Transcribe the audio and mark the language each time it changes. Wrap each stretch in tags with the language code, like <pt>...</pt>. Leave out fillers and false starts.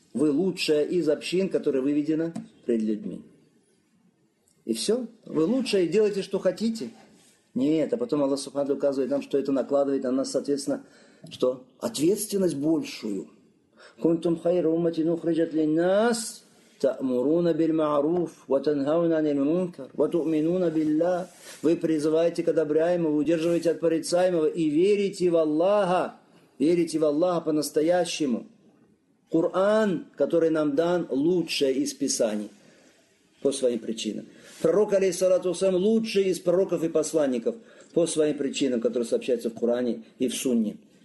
<ru>Вы лучшая из общин, которая выведена пред людьми. И все. Вы лучшая, делайте, что хотите. Нет, а потом Аллах Субхану указывает нам, что это накладывает на нас, соответственно, что? Ответственность большую.</ru> <ar>«Кунтум хайра умматин ухриджат линнас». تأمرون بالمعروف وتنهون عن المنكر وتؤمنون بالله.</ar> <ru>Вы призываете к одобряемому, удерживаете от порицаемого и верите в Аллаха. Верите в Аллаха по-настоящему. Коран, который нам дан, лучшее из Писаний по своим причинам. Пророк, алейхиссалату вассалям, лучший из пророков и посланников по своим причинам, которые сообщаются в Коране и в Сунне.</ru>